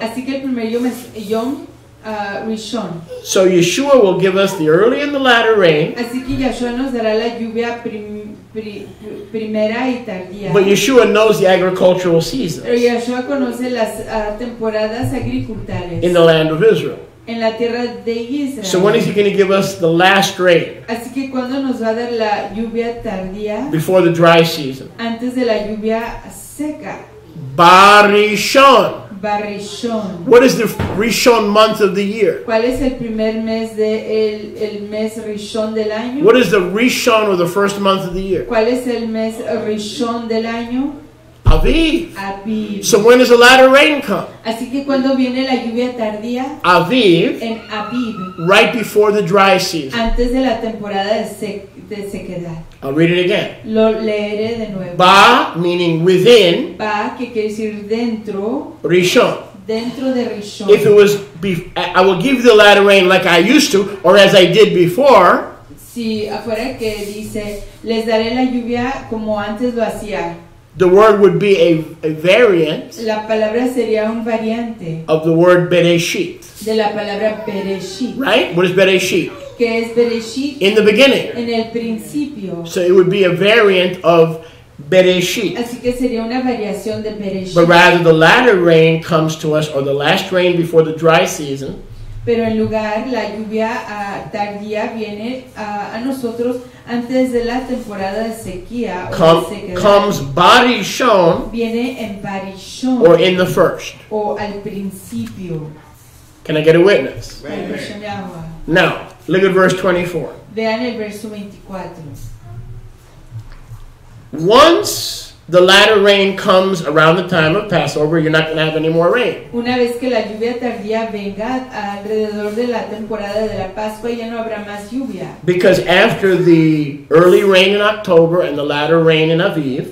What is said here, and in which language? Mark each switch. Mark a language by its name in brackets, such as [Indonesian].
[Spanish] Así que el primer yom es Yom Rishon. [English] So Yeshua will give us the early and the latter rain. [Spanish] Así que Yeshua nos dará la lluvia primera y tardía. [English] But Yeshua knows the agricultural seasons. [Spanish] Pero Yeshua conoce las temporadas agricultales. [English] In the land of Israel. [Spanish] En la tierra de Israel. [English] So when is he going to give us the last rain? [Spanish] Así que cuando nos va a dar la lluvia tardía. [English] Before the dry season. [Spanish] Antes de la lluvia seca. [Hebrew] Barishon. Barishon. [English] What is the Rishon month of the year? [Spanish] ¿Cuál es el primer mes de el mes Rishon del año? [English] What is the Rishon or the first month of the year? [Spanish] ¿Cuál es el mes Rishon del año? [English] Aviv. So when does the latter rain come? [Spanish] Así que cuando viene la lluvia tardía. [English] Aviv. [Spanish] En Aviv. [English] Right before the dry season. [Spanish] Antes de la temporada de sequedad. [English] I'll read it again. [Spanish] Lo leeré de nuevo. [English] Ba, meaning within. [Spanish] Ba, que quiere decir dentro. [English] Rishon. [Spanish] Dentro de Rishon. [English] If it was, I will give you the latter rain like I used to, or as I did before. [Spanish] Si afuera que dice, les daré la lluvia como antes lo hacía. [English] The word would be a variant. [Spanish] La palabra sería un variante. [English] Of the word Bereshit. [Spanish] De la palabra Bereshit. [English] Right? What is Bereshit? [Spanish] ¿Qué es Bereshit? [English] In the beginning. [Spanish] En el principio. [English] So it would be a variant of Bereshit. [Spanish] Así que sería una variación de Bereshit. [English] But rather the latter rain comes to us, or the last rain before the dry season. [Spanish] Pero en lugar la lluvia tardía viene a nosotros antes de la temporada de sequía. [English] Comes barishon. [Spanish] Viene en barishon. [English] Or in the first. [Spanish] O al principio. [English] Can I get a witness? Right. Now, look at verse 24. [Spanish] Vean el verso 24. [English] Once the latter rain comes around the time of Passover, you're not going to have any more rain. [Spanish] Una vez que la lluvia tardía venga alrededor de la temporada de la Pascua, ya no habrá más lluvia. [English] Because after the early rain in October and the latter rain in Aviv.